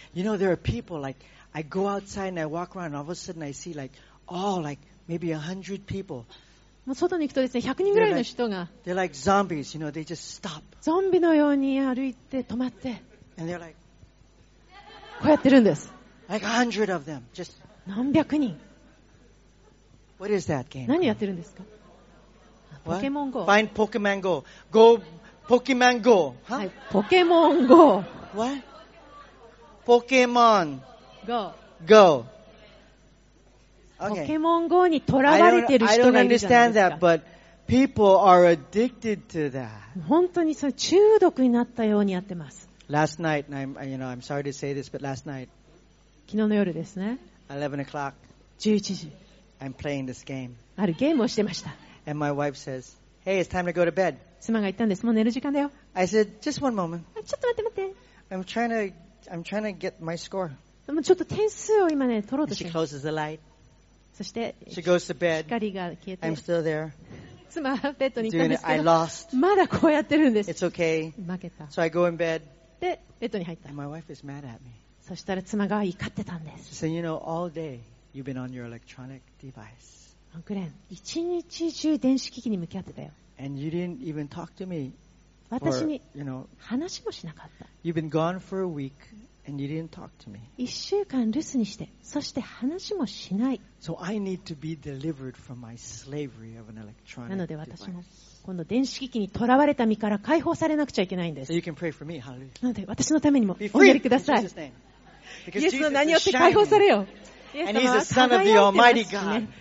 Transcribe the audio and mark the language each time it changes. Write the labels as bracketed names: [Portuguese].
[English] You know there are people like. I go outside and I walk around and all of a sudden I see like, oh, like maybe 100 people. [Japanese] もう外に行くとですね、100人ぐらいの人が。 [English] They're like zombies, you know, they just stop. [Japanese] ゾンビのように歩いて止まって。 [English] And they're like, [Japanese] こうやってるんです。 [English] Like 100 of them, just. [Japanese] 何百人。 [English] What is that game? [Japanese] 何やってるんですか？ポケモン GO。 [English] Find Pokemon GO. Go Pokemon GO. Huh? [Japanese] はい、ポケモン GO。 [English] What? Pokemon. Go. Go. Okay. [Japanese] ポケモン GO に囚われてる人がいるじゃないですか。 [English] I don't understand that, but people are addicted to that. [Japanese] 本当にそれ中毒になったようにやってます。 [English] Last night, I'm sorry to say this, but last night. [Japanese] 昨日の夜ですね。 [English] 11 [Japanese] o'clock. 11時。 [English] I'm playing this game. [Japanese] あるゲームをしてました。 [English] And my wife says, "Hey, it's time to go to bed." [Japanese] 妻が言ったんです。もう寝る時間だよ。 [English] I said, "Just one moment." [Japanese] ちょっと待って待って。 [English] I'm trying to get my score. [Japanese] でもちょっと点数を今ね取ろうとしてます。そして [English] She goes to bed. [Japanese] 光が消えて [English] I'm still there. [Japanese] 妻はベッドに行ったんですけど [English] I lost. [Japanese] まだこうやってるんです。 [English] It's okay. [Japanese] 負けた。 [English] So I go in bed. [Japanese] でベッドに入った。 [English] And my wife is mad at me. [Japanese] そしたら妻が怒ってたんです。 [English] So you know all day you've been on your electronic device. [Japanese] グレン、一日中電子機器に向き合ってたよ。 [English] And you didn't even talk to me. [Japanese] 私に話もしなかった。 [English] You've been gone for a week. And you didn't talk to me. [Japanese] 1週間留守にして、そして話もしない。 [English] So I need to be delivered from my slavery of an electronic device. [Japanese] なので私も今度電子機器に囚われた身から解放されなくちゃいけないんです。 [English] So you can pray for me, hallelujah. [Japanese] なので私のためにもお祈りください。イエスの名によって解放されよ。 [English] And he's the son of the Almighty God.